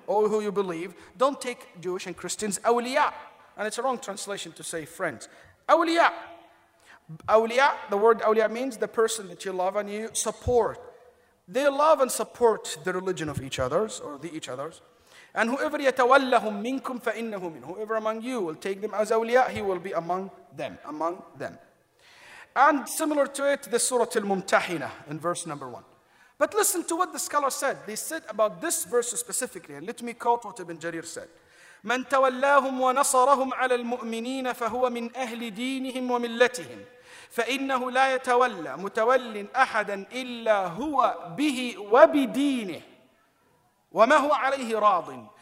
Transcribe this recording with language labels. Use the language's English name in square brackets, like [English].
[English] All who you believe, don't take Jewish and Christians, awliya. And it's a wrong translation to say friends. Awliya. Awliya, the word awliya means the person that you love and you support. They love and support the religion of each other's, or the each other's. And whoever [Arabic] يَتَوَلَّهُمْ مِنْكُمْ فَإِنَّهُ مِنْهُمْ. [English] Whoever among you will take them as awliya, he will be among them, among them. And similar to it, the Surah Al-Mumtahina in verse number 1. But listen to what the scholar said. They said about this verse specifically. And let me quote what Ibn Jarir said. [Arabic] مَنْ تَوَلَّاهُمْ وَنَصَرَهُمْ عَلَى الْمُؤْمِنِينَ فَهُوَ مِنْ أَهْلِ دِينِهِمْ وَمِلَّتِهِمْ فَإِنَّهُ لَا يَتَوَلَّى مُتَوَلِّنْ أَحَدًا إِلَّا هُوَ بِهِ وَبِدِينِهِ وَمَا هُوَ عَلَيْهِ رَاضٍ.